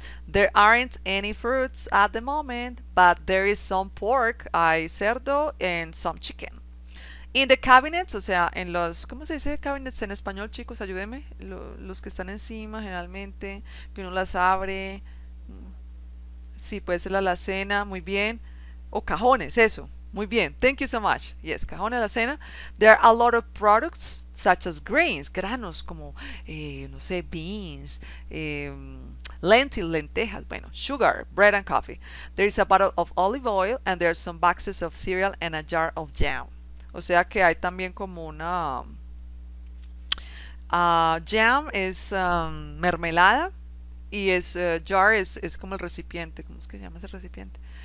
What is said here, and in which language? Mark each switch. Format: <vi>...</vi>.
<en>There aren't any fruits at the moment, but there is some pork,</en> <es>hay cerdo,</es> <en>and some chicken. In the cabinets,</en> <es>o sea, en los, ¿cómo se dice cabinets en español, chicos? Ayúdenme. Los que están encima, generalmente, que uno las abre. Sí, puede ser la alacena, muy bien. O cajones, eso. Muy bien.</es> <en>Thank you so much. Yes,</en> <es>cajones, alacena.</es> <en>There are a lot of products, such as grains,</en> <es>granos, como, no sé,</es> <en>beans,</en> <es>lentejas, bueno,</es> <en>sugar, bread and coffee. There is a bottle of olive oil and there are some boxes of cereal and a jar of jam.</en> <es>O sea que hay también como una</es> <en>jam</en> <es>es mermelada y es jar es como el recipiente, ¿cómo es que se llama ese recipiente?</es>